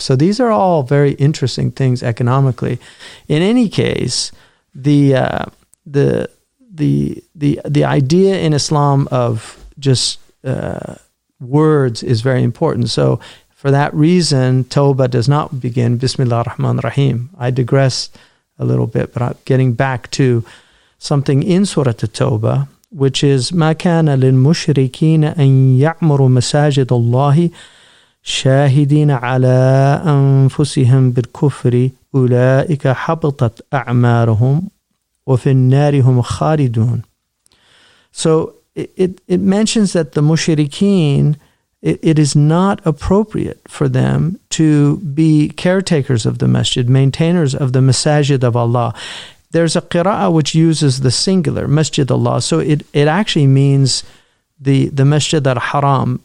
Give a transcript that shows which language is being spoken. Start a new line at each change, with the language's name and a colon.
English: So these are all very interesting things economically. In any case, the the idea in Islam of just words is very important. So for that reason, Tawbah does not begin Bismillah ar-Rahman ar-Rahim. I digress a little bit, but I'm getting back to something in Surah At-Tawbah, which is
Arabic: ما كان للمشركين أن يعمروا مساجد الله شاهدين على أنفسهم بالكفر أولئك حبطت أعمارهم وفي النار هم خالدون.
English: So it mentions that the mushrikeen, it is not appropriate for them to be caretakers of the masjid, maintainers of the masajid of Allah. There's a qira'ah which uses the singular, masjid Allah. So it actually means the masjid al-haram.